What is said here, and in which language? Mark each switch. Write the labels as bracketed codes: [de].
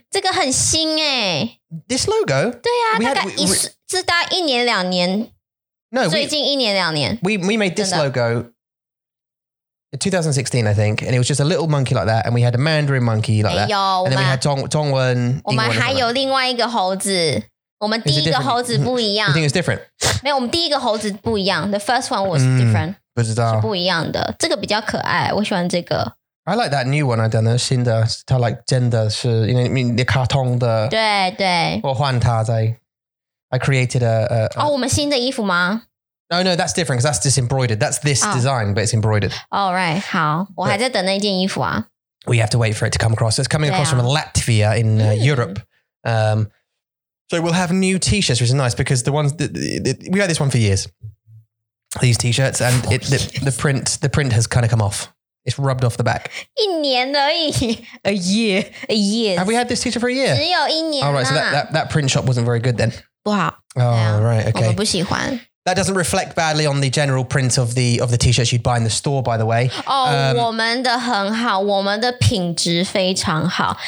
[zh] 这个很新耶. [en] This logo? [zh] 对啊, 大概一年两年. [en] No, [zh] 最近一年两年. [en] We made this logo in 2016, I think, and it was just a little monkey like that, and we had a Mandarin monkey like that, and then we had 中文, [zh] 我们还有另外一个猴子。我们第一个猴子不一样。 [en] You think it's different? [zh] 没有,我们第一个猴子不一样。 [en] The first one was different. [zh] 不知道。是不一样的。这个比较可爱,我喜欢这个。 [en] I like that new one, I don't know, 新的, 它 like 真的是, you know, I mean, the 卡通的。 [zh] 对,对。我换它在, I created a... 哦,我们新的衣服吗? [en] No, no, that's different, because that's just embroidered. That's this design, but it's embroidered. [zh] All right, 好,我还在等那件衣服啊。 [en] We have to wait for it to come across. It's coming across from Latvia in Europe. So we'll have new t-shirts, which is nice because the ones we had this one for years, these t-shirts, and the print has kind of come off. It's rubbed off the back. [zh] 一年而已. A year. [en] Have we had this t-shirt for a year? [zh] 只有一年啊. [en] All right, so that print shop wasn't very good then. [zh] 不好. [en] Oh, yeah. Right, okay. [zh] 我们不喜欢. [en] That doesn't reflect badly on the general print of the t-shirts you'd buy in the store, by the way. [zh] Oh, 我们的很好, 我们的品质非常好。